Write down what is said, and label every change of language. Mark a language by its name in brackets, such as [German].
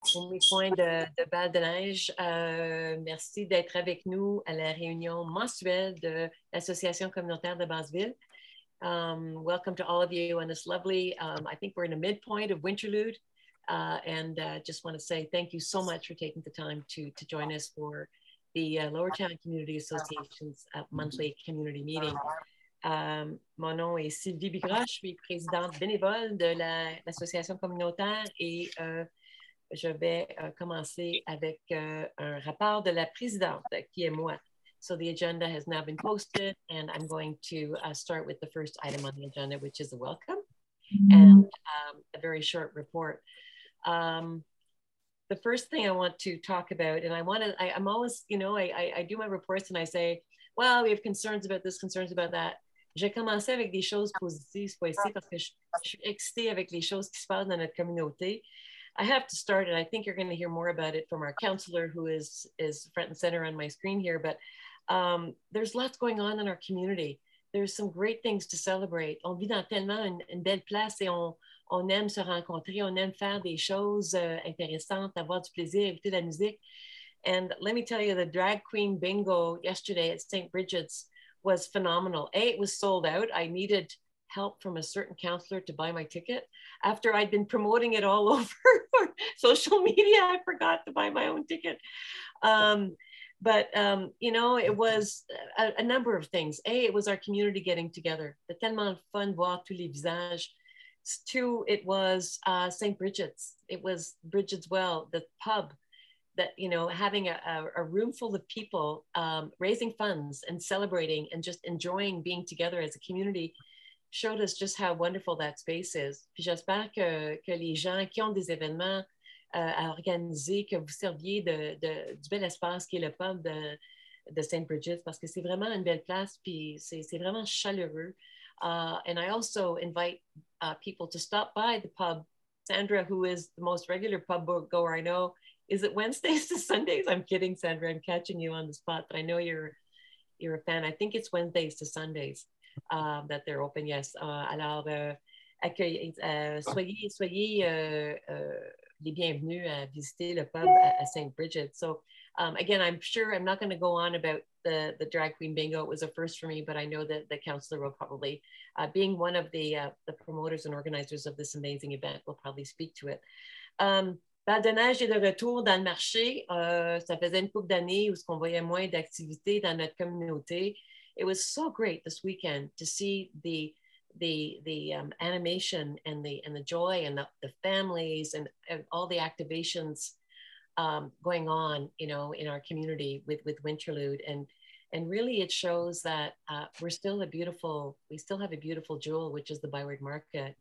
[French] Mi point de Bal de Neige, merci d'être avec nous à la réunion mensuelle de l'Association communautaire de Basseville. [English] Welcome to all of you on this lovely, I think we're in a midpoint of Winterlude, just want to say thank you so much for taking the time to join us for the Lower Town Community Association's monthly community meeting. [French] Mon nom est Sylvie Bigras, je suis présidente bénévole de l'Association communautaire et je vais commencer avec un rapport de la présidente, qui est moi. [English] So the agenda has now been posted and I'm going to start with the first item on the agenda, which is a welcome and a very short report. The first thing I want to talk about, and I do my reports and I say, well, we have concerns about this, concerns about that. [French] J'ai commencé avec des choses positives pour ici parce que je suis excitée avec les choses qui se passent dans notre communauté. [English] I have to start, and I think you're going to hear more about it from our counselor who is front and center on my screen here, but there's lots going on in our community. There's some great things to celebrate. [French] On vit dans tellement une belle place et on aime se rencontrer, on aime faire des choses intéressantes, avoir du plaisir, écouter de la musique. [English] And let me tell you, the drag queen bingo yesterday at St. Bridget's was phenomenal. A, it was sold out. I needed help from a certain counselor to buy my ticket. After I'd been promoting it all over social media, I forgot to buy my own ticket. It was a number of things. A, it was our community getting together. [French] C'était tellement fun voir tous les visages. [English] Two, it was St. Bridget's. It was Bridget's Well, the pub. That, you know, having a room full of people raising funds and celebrating and just enjoying being together as a community showed us just how wonderful that space is. [French] Puis j'espère que les gens qui ont des événements à organiser, que vous serviez du bel espace qui est le pub de St. Bridget's, parce que c'est vraiment une belle place, puis c'est vraiment chaleureux. [English] And I also invite people to stop by the pub. Sandra, who is the most regular pub goer I know, is it Wednesdays to Sundays? I'm kidding, Sandra. I'm catching you on the spot, but I know you're a fan. I think it's Wednesdays to Sundays that they're open. Yes. [French] Alors, soyez les bienvenus à visiter le pub à St. Bridget. [English] So, again, I'm sure I'm not going to go on about the drag queen bingo. It was a first for me, but I know that the counselor will probably, being one of the promoters and organizers of this amazing event, will probably speak to it. [French] Bal de Neige est de retour dans le marché. Ça faisait une couple d'années où on voyait moins d'activités dans notre communauté. [English] It was so great this weekend to see the animation and the joy and the families and all the activations going on, you know, in our community with Winterlude. And really it shows that we still have a beautiful jewel, which is the Byward Market.